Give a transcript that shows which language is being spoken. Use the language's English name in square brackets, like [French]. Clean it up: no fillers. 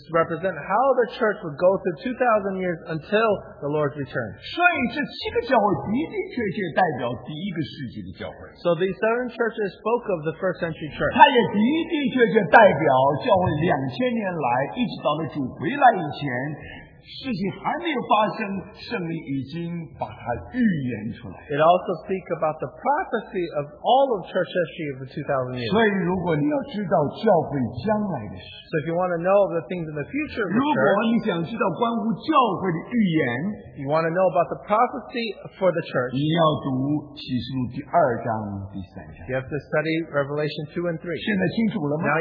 [English] represent how the church would go through 2,000 years until the Lord's return. [Chinese] 所以这七个教会的确确代表第一个世纪的教会。 [English] So these seven churches spoke of the first century church. [Chinese] 它也的确确代表教会两千年来一直到了主回来以前。事情还没有发生, [English] it also speaks about the prophecy of all of church history of the 2,000 years. So if you want to know the things in the future of the church, you want to know about the prophecy for the church, you have to study Revelation 2 and 3.